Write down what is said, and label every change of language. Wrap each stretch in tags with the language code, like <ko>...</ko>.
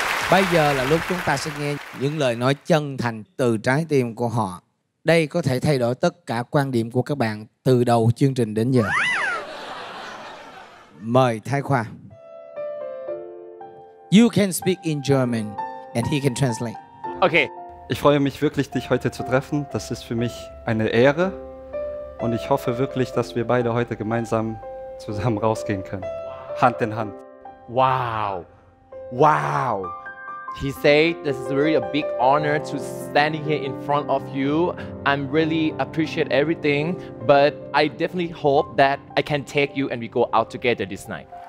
<vi>Bây giờ là lúc chúng ta sẽ nghe những lời nói chân thành từ trái tim của họ. Đây có thể thay đổi tất cả quan điểm của các bạn từ đầu chương trình đến giờ. Mời Thái Khoa.</vi> <en>You can speak in German and he can translate. Okay.</en> <de>Ich freue mich wirklich, dich heute zu treffen. Das ist für mich eine Ehre. Und ich hoffe wirklich, dass wir beide heute gemeinsam zusammen rausgehen können. Hand in Hand.</de> <en>Wow. Wow. He said, this is really a big honor to standing here in front of you. I really appreciate everything, but I definitely hope that I can take you and we go out together this night.</en>